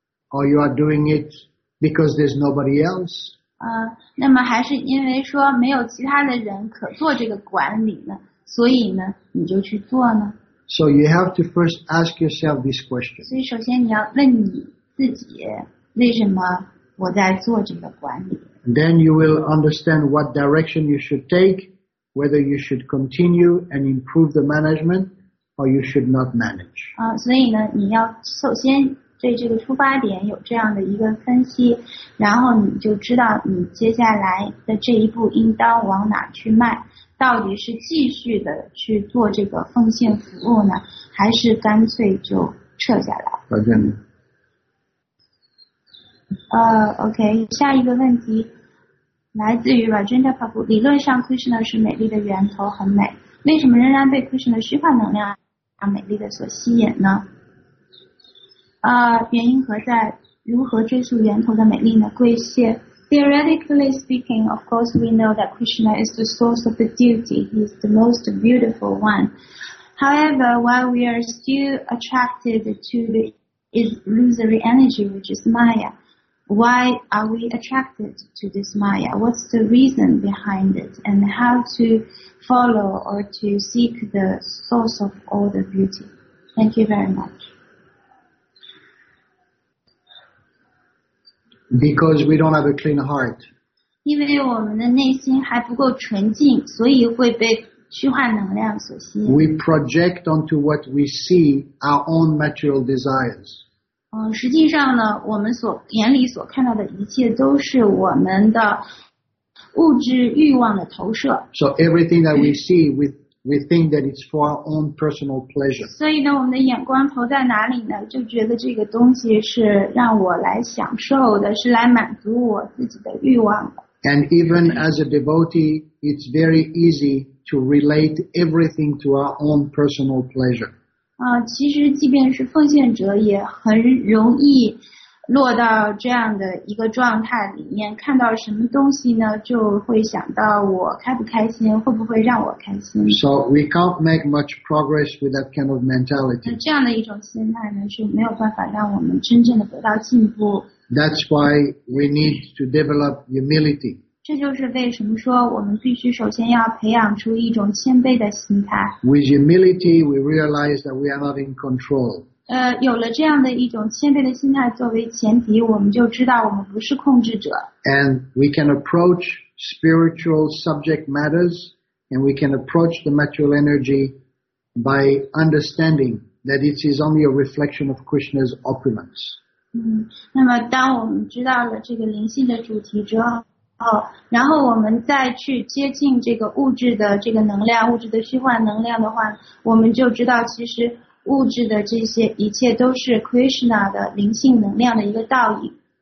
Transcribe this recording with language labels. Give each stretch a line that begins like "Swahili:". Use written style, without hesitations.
English: Or you are doing it because there's nobody else?
Chinese: 那么还是因为说没有其他的人可做这个管理呢，所以呢你就去做呢？
English: So you have to first ask yourself this question.
Chinese: 所以首先你要问你自己，为什么我在做这个管理？
English: Then you will understand what direction you should take, whether you should continue and improve the management or you should not manage.
Chinese: 所以呢你要首先对这个出发点有这样的一个分析，然后你就知道你接下来的这一步应当往哪去迈，到底是继续的去做这个奉献服务呢，还是干脆就撤下来？再见。 OK， 下一个问题来自于 Rajendra Prabhu。理论上 Krishna 是美丽的源头，很美，为什么仍然被 Krishna 的虚幻能量让美丽的所吸引呢？原因何在？如何追溯源头的美丽呢？归谢。
English: Theoretically speaking, of course, we know that Krishna is the source of the beauty. He is the most beautiful one. However, while we are still attracted to the illusory energy, which is Maya, why are we attracted to this Maya? What's the reason behind it? And how to follow or to seek the source of all the beauty? Thank you very much. Because we don't have a clean heart.
Chinese: 因为我们的内心还不够纯净，所以会被虚幻能量所吸引。
English: We project onto what we see our own material desires.
Chinese: 实际上呢，我们所眼里所看到的一切都是我们的物质欲望的投射。
English: So everything that we see, we think that it's for our own personal pleasure.
Chinese: 所以呢，我们的眼光投在哪里呢？就觉得这个东西是让我来享受的，是来满足我自己的欲望的。
English: And even as a devotee, it's very easy to relate everything to our own personal pleasure.
Chinese: 其实即便是奉献者也很容易落到这样的一个状态里面，看到什么东西呢，就会想到我开不开心，会不会让我开心。
English: So we can't make much progress with that kind of mentality.
Chinese: 这样的一种心态呢，是没有办法让我们真正的得到进步。
English: That's why we need to develop humility.
Chinese: 这就是为什么说我们必须首先要培养出一种谦卑的心态。
English: With humility, we realize that we are not in control.
Chinese: 有了这样的一种谦卑的心态作为前提，我们就知道我们不是控制者。
English: And we can approach spiritual subject matters, and we can approach the material energy by understanding that it is only a reflection of Krishna's opulence.
Chinese: 那么当我们知道了这个灵性的主题之后，然后我们再去接近这个物质的这个能量，物质的虚幻能量的话，我们就知道其实物质的这些一切都是 Krishna 的灵性能量的一个倒影。